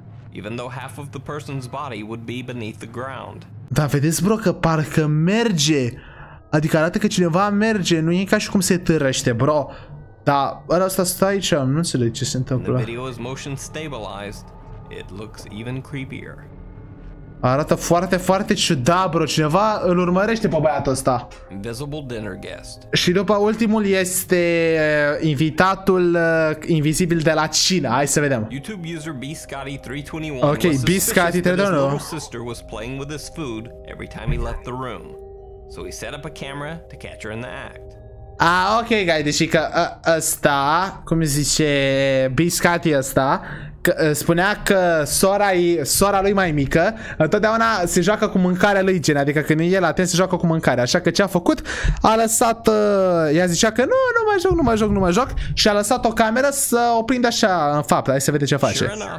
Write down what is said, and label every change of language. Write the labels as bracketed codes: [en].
[en] Even though half of the person's body would be beneath the ground. [ro] Da, vedeți, bro, că parcă merge. Adică arată că cineva merge, nu e ca și cum se târăște, bro. Da, ăla ăsta stă aici, nu înțeleg ce se întâmplă. [en] The video is motion stabilized. It looks even creepier. [ro] Arată foarte, foarte ciudat, bro. Cineva îl urmărește pe băiatul ăsta. [en] Invisible dinner guest. [ro] Și după ultimul este invitatul invizibil de la cină. Hai să vedem. [en] YouTube user bscotty321. Ok, bscotty321. His little sister was playing with his food every time he left the room. So he set up a camera to catch her in the act. [ro] Ah, ok, guys, deci că ăsta, cum zice, Biscati ăsta, spunea că sora lui mai mică întotdeauna se joacă cu mâncarea lui, gen, adică când el atent se joacă cu mâncarea. Așa că ce a făcut? A lăsat, ea zicea că nu mai joc și a lăsat o cameră să o prindă așa în fapt. Hai să vede ce face.